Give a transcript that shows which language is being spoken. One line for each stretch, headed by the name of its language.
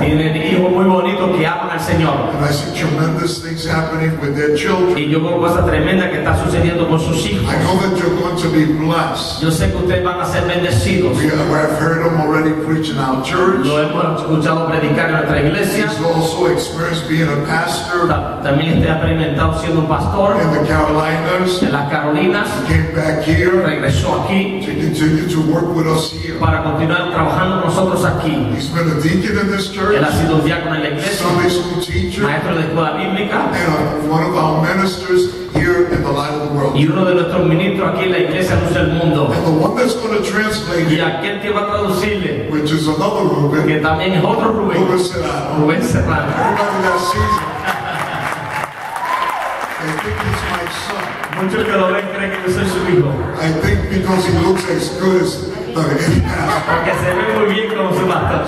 Spanish: Tienen hijos muy bonitos que aman al Señor.
English: And I see tremendous things happening with their children.
Spanish: Y yo veo cosas tremendas que está sucediendo con sus hijos.
English: I know that you're going to be blessed.
Spanish: Yo sé que ustedes van a ser bendecidos.
English: We have heard them already preach in our church.
Spanish: Lo hemos escuchado predicar en nuestra iglesia.
English: He's also experienced being a pastor.
Spanish: También está experimentado siendo un pastor.
English: In the Carolinas.
Spanish: En las Carolinas.
English: He came back here.
Spanish: Regresó aquí.
English: To continue to work with us here.
Spanish: Para continuar trabajando nosotros. Aquí.
English: He's been a deacon in this church.
Spanish: Él ha sido diácono en la iglesia.
English: Sunday school teacher.
Spanish: Maestro de escuela bíblica.
English: And one of our ministers here in the light of the world.
Spanish: Y uno de nuestros ministros aquí en la iglesia luz del mundo.
English: And the one that's going to translate.
Spanish: Y aquel que va a traducirle.
English: Which is another Ruben.
Spanish: Que también es otro Ruben.
English: Ruben Serrano.
Spanish: Ruben Serrano.
English: Everybody that sees him. I think he's my son.
Spanish: Muchos que lo ven creen que yo soy su hijo.
English: I think because he looks as good as.
Spanish: Porque se ve muy bien como su pastor.